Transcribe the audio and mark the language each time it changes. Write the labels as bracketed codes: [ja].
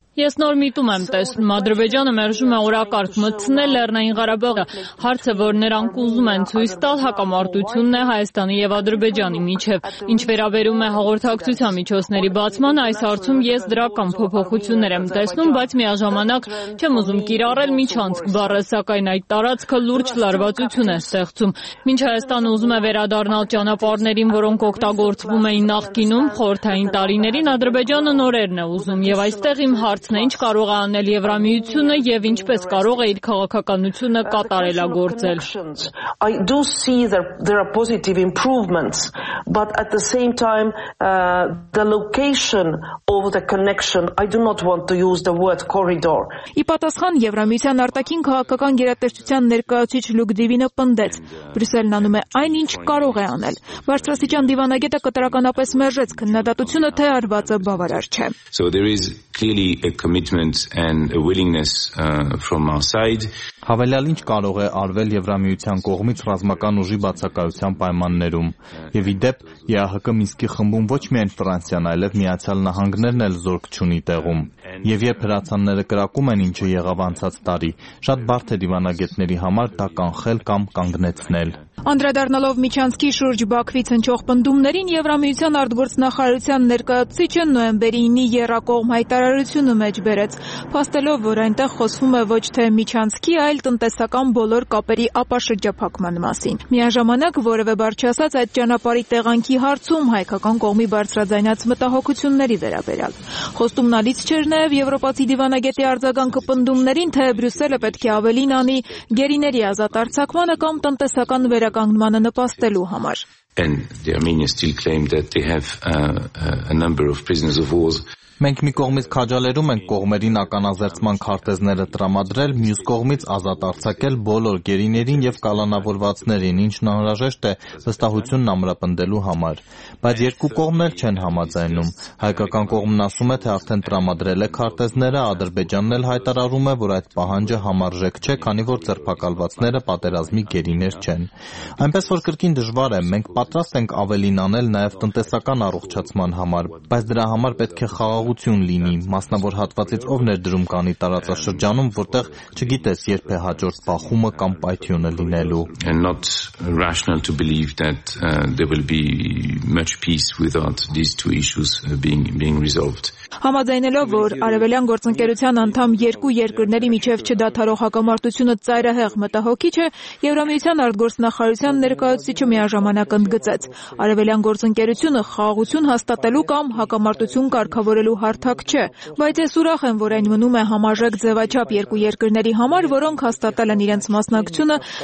[hy] Ես նոր միտում եմ տեսնում, Ադրբեջանը մերժում է օրակարգ մտցնել Լեռնային Ղարաբաղը, հարցը, որ նրանք ուզում են ցույց տալ, հակամարտությունն է Հայաստանի եւ Ադրբեջանի միջև։ Ինչ վերաբերում է հաղորդակցության միջոցների բացման, այս հարցում ես դրա կամ փոփոխություններ եմ տեսնում, բայց միաժամանակ չեմ ուզում կիրառել միջանցք բառը, սակայն այդ տարածքը լուրջ լարվածություն է ստեղծում։ Մինչ Հայաստանը ուզում է վերադառնալ ճանապարհներին, որոնք օգտագործվում էին նախկինում, խորհրդային տարիներին, Ադրբեջանը նորերն է ուզում, եւ այստեղ իմ հարց հարցն է, ինչ կարող է անել Եվրամիությունը և ինչպես կարող է իր քաղաքականությունը կատարելագործել։ [en] I do see that there are positive improvements, but at the same time, the location of the connection, I do not want to use the word corridor. [hy] Ի պատասխան Եվրամիության արտաքին քաղաքական գերատեսչության ներկայացուցիչ Լուկ Դիվինը պնդեց, Բրյուսելն անում է այն, ինչ կարող է անել։ Բարձրաստիճան դիվանագետը կտրականապես մերժեց քննադատությունը, թե արվածը բավարար չէ։ [en] So there is clearly a commitment and a willingness from our side. [hy] Հավելյալ ինչ կարող է արվել Եվրամիության կողմից ռազմական ուժի բացակայության պայմաններում։ Եվ ի դեպ, ԵԱՀԿ Մինսկի խմբում ոչ միայն Ֆրանսիան, այլև Միացյալ Նահանգներն էլ զորք չունի տեղում։ Եվ երբ հրացանները կրակում են, ինչը եղավ անցած տարի, շատ բարդ է դիվանագետների համար դա կանխել կամ կանգնեցնել։ Անդրադառնալով Միջանցքի շուրջ Բաքվից հնչող պնդումներին, Եվրամիության արտգործնախարարության ներկայացուցիչը նոյեմբերի 9-ի երրակողմ հայտարարությունը մեջբերեց, փաստելով, որ այնտեղ խոսվում է ոչ թե Միջանցքի, այլ տնտեսական բոլոր կապերի ապաշրջափակման մասին։ Միաժամանակ, որևէ բարձր ասած, այդ ճանապարհի տեղանքի հարցում հայկական կողմի բարձրաձայնած մտահոգությունների վերաբերյալ։ Խոստումն ալից չէր նաև եվրոպացի դիվանագետի արձագանքը պնդումներին, թե Բրյուսելը պետք է ավելին անի գերիների ազատ արձակմանը կամ տնտեսական վերականգնմանը նպաստելու համար։ [en] And the Armenians still claim that they have a number of prisoners of war. [hy] Մենք մի կողմից քաջալերում ենք կողմերին ականաձերծման քարտեզները տրամադրել, մյուս կողմից ազատ արձակել բոլոր գերիներին եւ կալանավորվածներին, ինչն անհրաժեշտ է վստահությունն ամրապնդելու համար։ Բայց երկու կողմն էլ չեն համաձայնում։ Հայկական կողմն ասում է, թե արդեն տրամադրել է քարտեզները, Ադրբեջանն էլ հայտարարում է, որ այդ պահանջը համարժեք չէ, քանի որ ձերբակալվածները պատերազմի գերիներ չեն։ Այնպես որ կրկին դժվար է, մենք պատրաստ ենք ավելին անել նաեւ տնտեսական առողջացման համար, բայց դրա համար պետք է աղություն լինի մասնավոր հատվածից ով ներդրում կանի տարածաշրջանում, որտեղ չգիտես երբ է հաջորդ բախումը կամ պայթյունը լինելու։ [en] And not rational to believe that there will be much peace without these two issues being resolved. [hy] Համաձայնելով, որ արևելյան գործընկերության անդամ երկու երկրների միջև չդադարող հակամարտությունը ծայրահեղ մտահոգիչ է, Եվրամիության արտգործնախարարության ներկայացուցիչը միաժամանակ ընդգծեց. արևելյան գործընկերությունը խաղաղություն հաստատելու կամ հակամարտություն կարգավորելու հարթակ չէ, բայց ես ուրախ եմ, որ այն մնում է համաժեք ձևաչափ երկու երկրների համար, որոնք հաստատել են իրենց մասնակցությունը